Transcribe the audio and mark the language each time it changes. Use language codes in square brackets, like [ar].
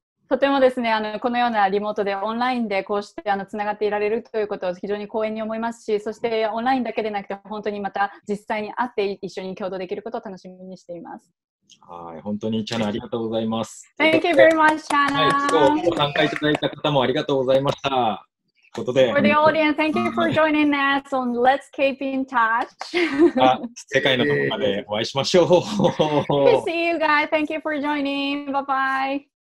[ja] とてもですね、このようなリモートでオンラインでこうしてつながっていられるということを非常に光栄に思いますし、そしてオンラインだけでなくて本当にまた実際に会って一緒に共同できることを楽しみにしています。はい、本当にチャナありがとうございます。 [en] Thank you very much, チャナ。 [ja] はい、今日ご参加いただいた方もありがとうございました。 [en] For the audience, thank you for joining us on Let's Keep in Touch. [ja] 世界のどこかでお会いしましょう。 [en] See you guys. Thank you for joining. Bye bye.